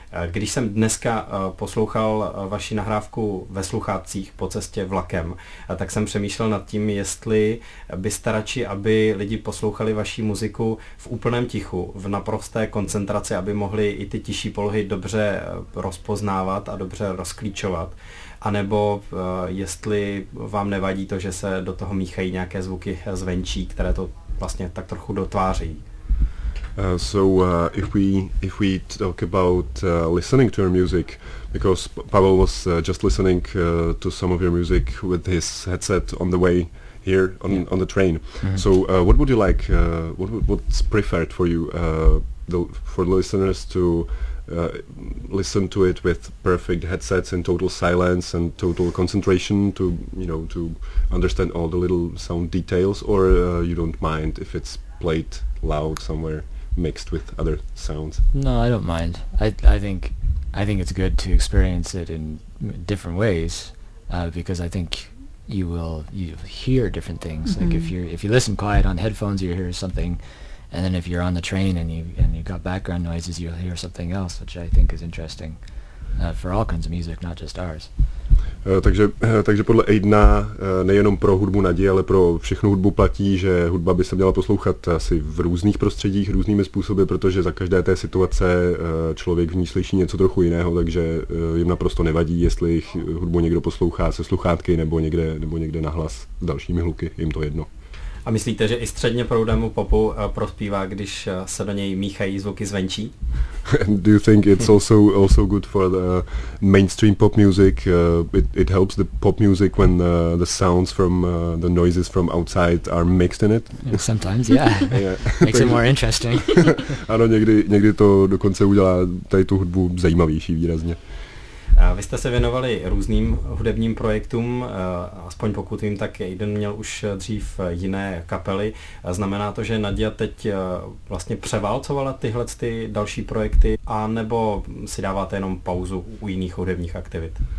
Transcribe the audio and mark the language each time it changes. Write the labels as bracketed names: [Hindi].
[Czech] Když jsem dneska poslouchal vaši nahrávku ve sluchátcích po cestě vlakem, tak jsem přemýšlel nad tím, jestli byste radši, aby lidi poslouchali vaši muziku v úplném tichu, v naprosté koncentraci, aby mohli i ty tiší polohy dobře rozpoznávat a dobře rozklíčovat, anebo jestli vám nevadí to, že se do toho míchají nějaké zvuky zvenčí, které to vlastně tak trochu dotváří. [English] So if we talk about listening to your music, because Pavel was just listening to some of your music with his headset on the way here on the train. Mm-hmm. So what would you like? What's preferred for you? For the listeners to listen to it with perfect headsets and total silence and total concentration to understand all the little sound details, or you don't mind if it's played loud somewhere? Mixed with other sounds. No, I don't mind. I think it's good to experience it in different ways because I think you'll hear different things. Mm-hmm. Like if you listen quiet on headphones, you hear something, and then if you're on the train and you've got background noises, you'll hear something else, which I think is interesting for all kinds of music, not just ours. [Czech] Takže podle Aidena nejenom pro hudbu Nadie, ale pro všechnu hudbu platí, že hudba by se měla poslouchat asi v různých prostředích, různými způsoby, protože za každé té situace člověk v ní slyší něco trochu jiného, takže jim naprosto nevadí, jestli jich hudbu někdo poslouchá se sluchátky nebo někde nahlas s dalšími hluky, jim to jedno. A myslíte, že i středně proudému popu prospívá, když se do něj míchají zvuky zvenčí? [English] Do you think it's also good for the mainstream pop music? It helps the pop music when the sounds from the noises from outside are mixed in it? Sometimes, yeah. Makes it more interesting. [Czech] Ano, někdy to dokonce udělá tady tu hudbu zajímavější výrazně. Vy jste se věnovali různým hudebním projektům, aspoň pokud vím, tak Aiden měl už dřív jiné kapely. Znamená to, že Nadia teď vlastně převálcovala tyhle ty další projekty, a nebo si dáváte jenom pauzu u jiných hudebních aktivit?